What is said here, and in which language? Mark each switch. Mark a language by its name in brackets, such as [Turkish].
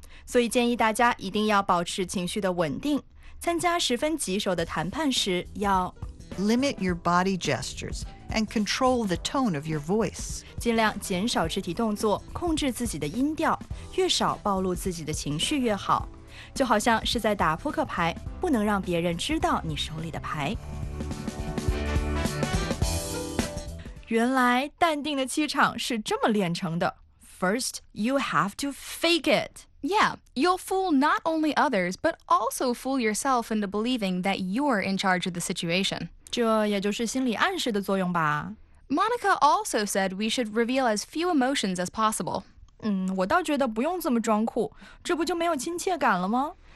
[Chinese] 所以建议大家一定要保持情绪的稳定，参加十分棘手的谈判时要 [English] Limit your body gestures and control the tone of your voice. [Chinese] 尽量减少肢体动作，控制自己的音调，越少暴露自己的情绪越好。就好像是在打扑克牌，不能让别人知道你手里的牌。原来淡定的气场是这么练成的。 [English] First, you have to fake it. Yeah, you'll fool not only others, but also fool yourself into believing that you're in charge of the situation. [Chinese] 这也就是心理暗示的作用吧。 [English] Monica also said we should reveal as few emotions as possible. [Chinese] 我倒觉得不用这么装酷，这不就没有亲切感了吗？